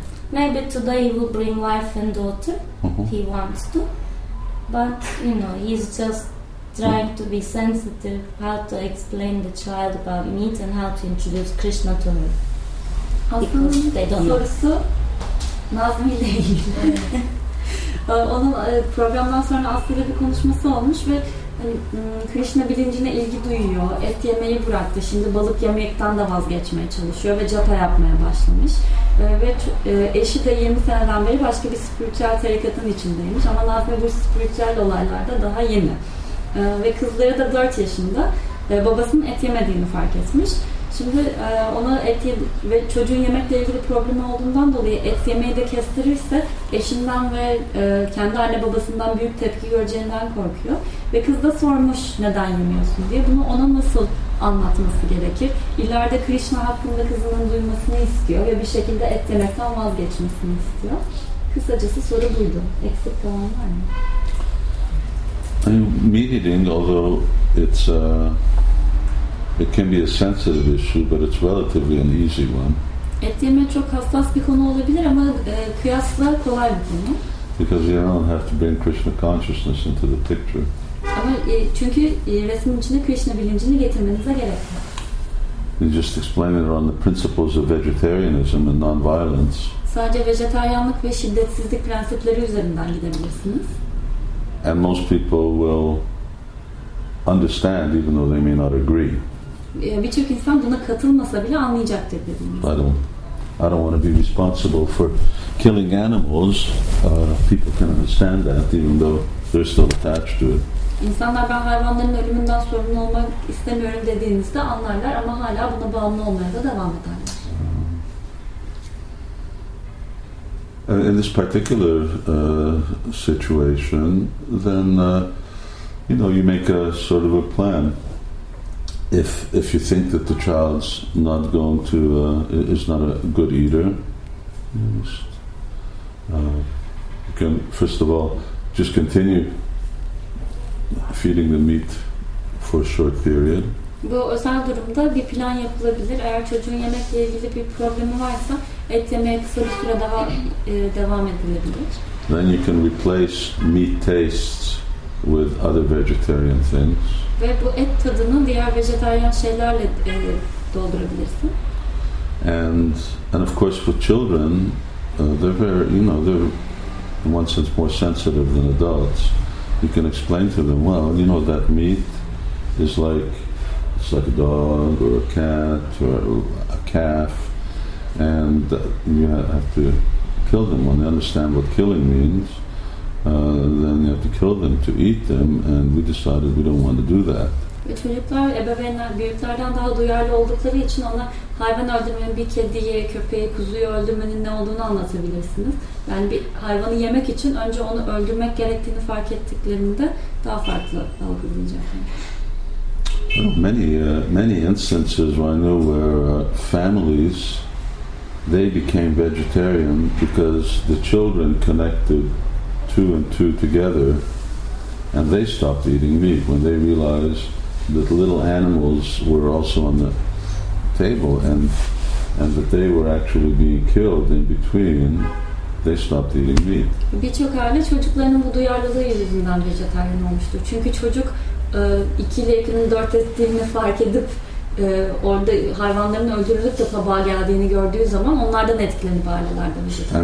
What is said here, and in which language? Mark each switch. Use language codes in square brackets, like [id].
[en] Maybe today he will bring wife and daughter. Uh-huh. He wants to. But, you know, he's just trying to be sensitive how to explain the child about meat and how to introduce Krishna to her. Because they don't know. [tr] Nazmi ile ilgili. Onun programdan sonra Aslı'yla bir konuşması olmuş ve Krishna bilincine ilgi duyuyor. Et yemeyi bıraktı. Şimdi balık yemekten de vazgeçmeye çalışıyor ve japa yapmaya başlamış. Ve eşi de 20 seneden beri başka bir spiritüel tarikatın içindeymiş. Ama Nazmi bu spiritüel olaylarda daha yeni. Ve kızları da 4 yaşında. Babasının et yemediğini fark etmiş. Şimdi ona et ve çocuğun yemekle ilgili problemi olduğundan dolayı et yemeyi de kestirirse eşinden ve kendi anne babasından büyük tepki göreceğinden korkuyor. Ve kız da sormuş neden yemiyorsun diye. Bunu ona nasıl anlatması gerekir? İleride Krishna hakkında kızının duymasını istiyor ve bir şekilde et yemekten vazgeçmesini istiyor. Kısacası soru buydu. Eksik kalan var mı? [en] Meat eating, although it's it can be a sensitive issue, but it's relatively an easy one. [tr] Et yeme çok hassas bir konu olabilir ama kıyasla kolay bir konu. [en] Because you don't have to bring Krishna consciousness into the picture. [tr] Ama çünkü resmin içine Krishna bilincini getirmenize gerek yok. [en] You just explain it on the principles of vegetarianism and non-violence. [tr] Sadece vejetaryenlik ve şiddetsizlik prensipleri üzerinden gidebilirsiniz. [en] And most people will understand, even though they may not agree. [tr] Birçok insan buna katılmasa bile anlayacaktır dediğimiz. [en] I don't want to be responsible for killing animals. People can understand that, even though they're still attached to it. [tr] İnsanlar ben hayvanların ölümünden sorumlu olmak istemiyorum dediğinizde anlarlar, ama hala buna bağımlı olmaya da devam ederler. [en] In this particular situation, then you know, you make a sort of a plan. If you think that the child's not going to is not a good eater, you can first of all just continue feeding the meat for a short period. [tr] Bu özel durumda bir plan yapılabilir. Eğer çocuğun yemekle ilgili bir problemi varsa et yemeye kısa bir süre daha devam edilebilir. [en] Then you can replace meat tastes with other vegetarian things. [tr] Ve bu et tadını diğer vejetaryen şeylerle doldurabilirsin. [en] And of course for children, they're very, you know, they're in one sense more sensitive than adults. You can explain to them, well, you know, that meat is like, it's like a dog or a cat or a calf, and you have to kill them when they understand what killing means. then you have to kill them to eat them, and we decided we don't want to do that. [tr] Ve çocuklar ebeveynler büyüklerden daha duyarlı oldukları için ona hayvan öldürmenin bir kediyi, köpeği, kuzuyu öldürmenin ne olduğunu anlatabilirsiniz. Yani bir hayvanı yemek için önce onu öldürmek gerektiğini fark ettiklerinde daha farklı algılayacaklar. [en] Well, many instances I know where families, they became vegetarian because the children connected two and two together and they stopped eating meat when they realized that little animals were also on the table and that they were actually being killed in between, they stopped eating meat. [tr] Birçok aile çocuklarının bu duyarlılığı yüzünden vejetaryen olmuştur. Çünkü çocuk ikili yakının dört ettiğini fark edip orada hayvanların öldürülüp de tabağa geldiğini gördüğü zaman onlardan etkilenip ailelerden vejetaryen.